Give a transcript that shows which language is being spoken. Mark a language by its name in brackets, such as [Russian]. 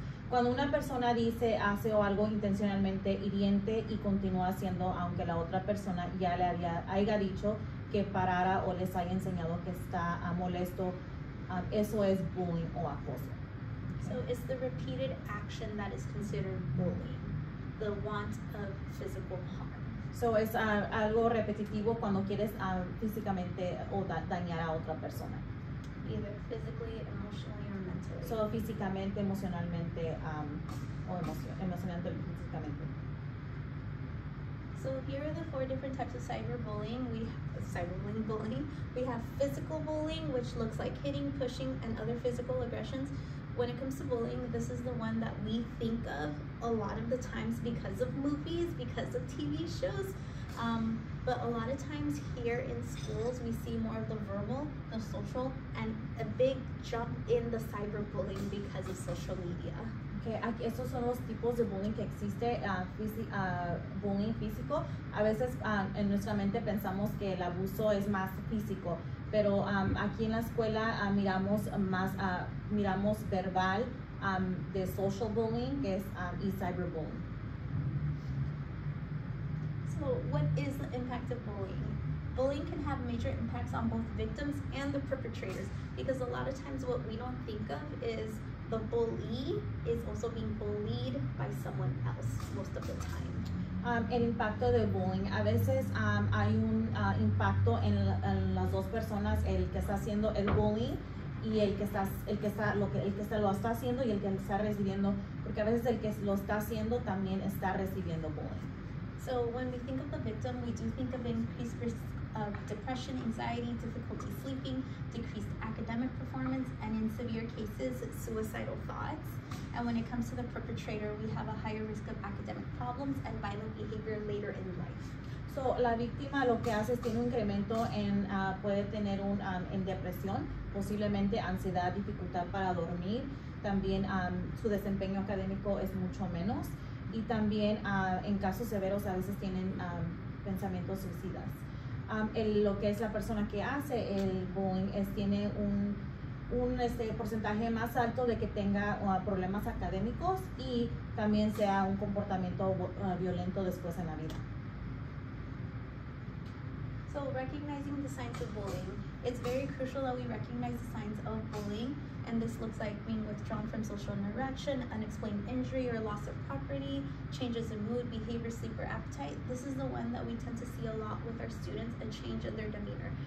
[Spanish] Cuando una persona dice, hace o algo intencionalmente hiriente y continúa haciendo, aunque la otra persona ya le haya dicho que parara o les haya enseñado que está molesto, eso es bullying o acoso. [English] So it's the repeated action that is considered bullying, the want of physical harm. So it's [Spanish] algo repetitivo cuando quieres físicamente o dañar a otra persona. [English] Either physically, emotionally, or mentally. [Spanish] So físicamente, emocionalmente, emocionalmente, físicamente. [English] So here are the four different types of cyberbullying. We have physical bullying, which looks like hitting, pushing, and other physical aggressions. When it comes to bullying, this is the one that we think of a lot of the times because of movies, because of TV shows. But a lot of times here in schools, we see more of the verbal, the social, and a big jump in the cyberbullying because of social media. [Spanish] Okay, aquí estos son los tipos de bullying que existe, bullying físico. A veces en nuestra mente pensamos que el abuso es más físico. Pero aquí en la escuela miramos más, miramos verbal de social bullying que es, y cyberbullying. [English] So, what is the impact of bullying? Bullying can have major impacts on both victims and the perpetrators because a lot of times what we don't think of is the bully is also being bullied by someone else most of the time. [Spanish] El impacto de bullying. A veces hay un impacto en las dos personas, el que está haciendo el bullying y el que lo está haciendo y el que está recibiendo, porque a veces el que lo está haciendo también está recibiendo bullying. [English] So when we think of the victim, we do think of increased risk of depression, anxiety, difficulty sleeping, decreased academic performance, and in severe cases, suicidal thoughts. And when it comes to the perpetrator, we have a higher risk of academic problems and violent behavior later in life. [Spanish] So, la víctima lo que hace es tiene un incremento en, puede tener un, en depresión, posiblemente ansiedad, dificultad para dormir. También su desempeño académico es mucho menos. Y también en casos severos a veces tienen pensamientos suicidas. Lo que es la persona que hace el bullying es tiene un porcentaje más alto de que tenga problemas académicos y también sea un comportamiento violento después en la vida. [English] So recognizing the signs of bullying, it's very crucial that we recognize the signs of bullying. And this looks like being withdrawn from social interaction, unexplained injury or loss of property, changes in mood, behavior, sleep, or appetite. This is the one that we tend to see a lot with our students, a change in their demeanor.